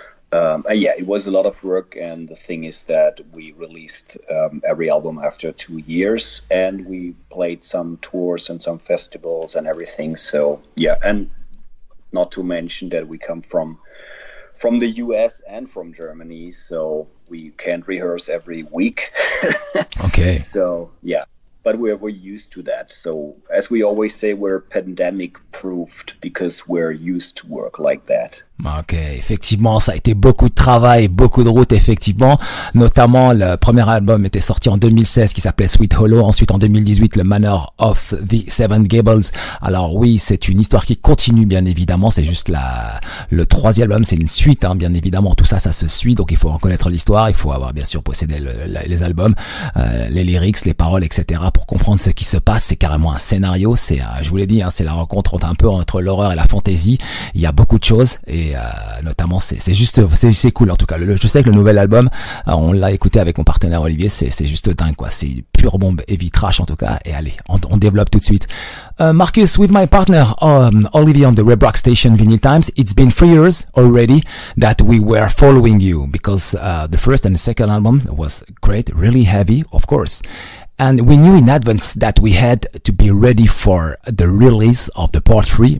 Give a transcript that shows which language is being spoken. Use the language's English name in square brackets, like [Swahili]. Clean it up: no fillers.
[English] Yeah, it was a lot of work, and the thing is that we released every album after 2 years, and we played some tours and some festivals and everything, so yeah, and not to mention that we come from the US and from Germany, so we can't rehearse every week. Okay. So, yeah. But we're used to that. So as we always say, we're pandemic proofed because we're used to work like that. [French] Ok, effectivement, ça a été beaucoup de travail, beaucoup de route, effectivement. Notamment, le premier album était sorti en 2016, qui s'appelait Sweet Hollow. Ensuite, en 2018, le Manor of the Seven Gables. Alors oui, c'est une histoire qui continue, bien évidemment. C'est juste le troisième album, c'est une suite, hein, bien évidemment. Tout ça, ça se suit, donc il faut en connaître l'histoire. Il faut avoir, bien sûr, possédé les albums, les lyrics, les paroles, etc. pour comprendre ce qui se passe. C'est carrément un scénario. C'est, je vous l'ai dit, hein, c'est la rencontre entre l'horreur et la fantasy. Il y a beaucoup de choses. Et notamment, c'est cool en tout cas. Je sais que le nouvel album, on l'a écouté avec mon partenaire Olivier, c'est juste dingue quoi. C'est pure bombe heavy trash en tout cas. Et allez, on développe tout de suite. [English] Markus, with my partner Olivier on the Red Rock Station Vinylestimes, it's been 3 years already that we were following you because the first and the second album was great, really heavy, of course. And we knew in advance that we had to be ready for the release of the part 3.